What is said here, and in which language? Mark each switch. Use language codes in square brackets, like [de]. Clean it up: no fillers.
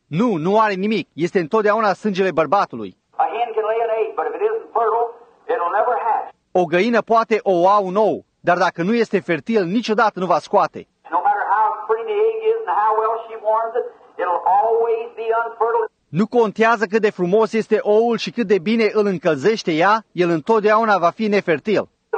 [ro] Nu, nu are nimic, este întotdeauna sângele bărbatului. [en] A hen can lay an egg, but if it isn't fertile, it'll never hatch. [ro] O găină poate oua un ou, dar dacă nu este fertil, niciodată nu va scoate. [en] No matter how pretty the egg is and how well she warms it, it'll always be unfertile. [ro] Nu contează cât de frumos este oul și cât de bine îl încălzește ea, el întotdeauna va fi nefertil.